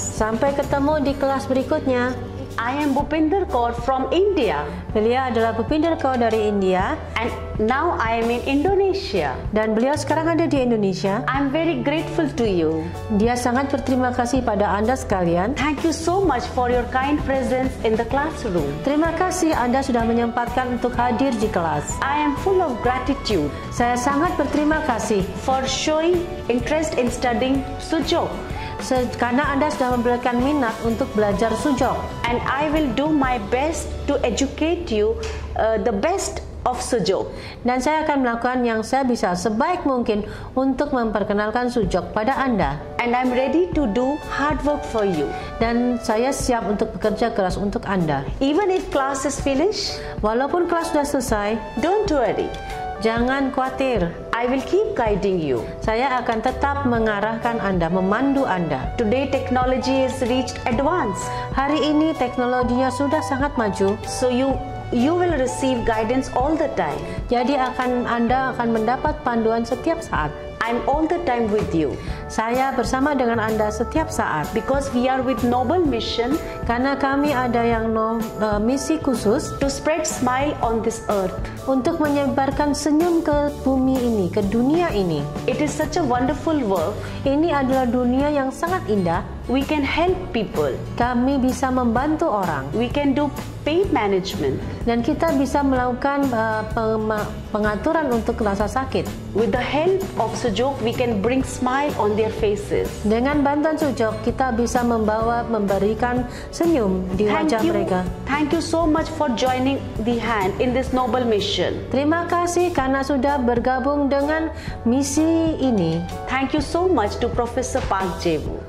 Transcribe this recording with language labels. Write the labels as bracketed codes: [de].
[id] Sampai ketemu di kelas berikutnya. [en] I am Bhupinder Kaur from India. [id] Beliau adalah Bhupinder Kaur dari India. [en] And now I am in Indonesia. [id] Dan beliau sekarang ada di Indonesia. [en] I'm very grateful to you. [id] Dia sangat berterima kasih pada Anda sekalian. [en] Thank you so much for your kind presence in the classroom. [id] Terima kasih Anda sudah menyempatkan untuk hadir di kelas. [en] I am full of gratitude. [id] Saya sangat berterima kasih [en] for showing interest in studying sujok. [id] Karena Anda sudah memberikan minat untuk belajar sujok. [en] And I will do my best to educate you the best of sujok. [id] Dan saya akan melakukan yang saya bisa sebaik mungkin untuk memperkenalkan sujok pada Anda. [en] And I'm ready to do hard work for you. [id] Dan saya siap untuk bekerja keras untuk Anda. [en] Even if class is finished, [id] walaupun kelas sudah selesai, [en] don't worry. [id] Jangan khawatir. [en] I will keep guiding you. [id] Saya akan tetap mengarahkan Anda, memandu Anda. [en] Today technology has reached advance. [id] Hari ini teknologinya sudah sangat maju. [en] So you you will receive guidance all the time. [id] Jadi Anda akan mendapat panduan setiap saat. [en] I'm all the time with you. [id] Saya bersama dengan Anda setiap saat. [en] Because we are with noble mission. [id] Karena kami ada yang misi khusus. [en] To spread smile on this earth. [id] Untuk menyebarkan senyum ke bumi ini, ke dunia ini. [en] It is such a wonderful work. [id] Ini adalah dunia yang sangat indah. [en] We can help people. [id] Kami bisa membantu orang. [en] We can do pay management. [id] Dan kita bisa melakukan pengaturan untuk rasa sakit. [en] With the help of Sujok, we can bring smile on their faces. [id] Dengan bantuan Sujok, kita bisa memberikan senyum di wajah mereka. [en] Thank you so much for joining the hand in this noble mission. [id] Terima kasih karena sudah bergabung dengan misi ini. [en] Thank you so much to Professor Park Jae-woo.